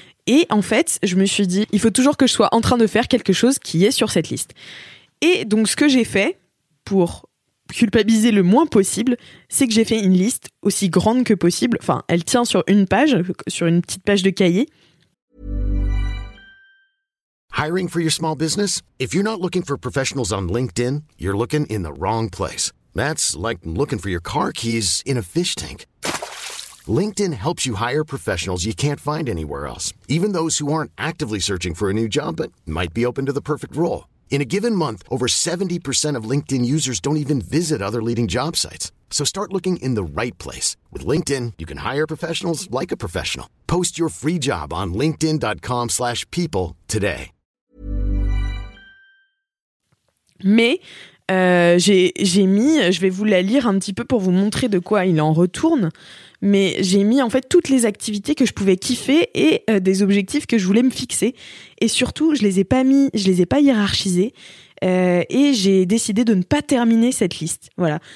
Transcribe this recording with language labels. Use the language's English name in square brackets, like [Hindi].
[French] Et en fait, je me suis dit, il faut toujours que je sois en train de faire quelque chose qui est sur cette liste. Et donc, ce que j'ai fait pour culpabiliser le moins possible, c'est que j'ai fait une liste aussi grande que possible. Enfin, elle tient sur une page, sur une petite page de cahier. [English] Hiring for your small business? If you're not looking for professionals on LinkedIn, you're looking in the wrong place. That's like looking for your car keys in a fish tank. LinkedIn helps you hire professionals you can't find anywhere else, even those who aren't actively searching for a new job but might be open to the perfect role. In a given month, over 70% of LinkedIn users don't even visit other leading job sites. So start looking in the right place. With LinkedIn, you can hire professionals like a professional. Post your free job on linkedin.com/people today. [French] Mais... je vais vous la lire un petit peu pour vous montrer de quoi il en retourne, mais j'ai mis en fait toutes les activités que je pouvais kiffer et des objectifs que je voulais me fixer, et surtout je les ai pas hiérarchisés et j'ai décidé de ne pas terminer cette liste. Voilà.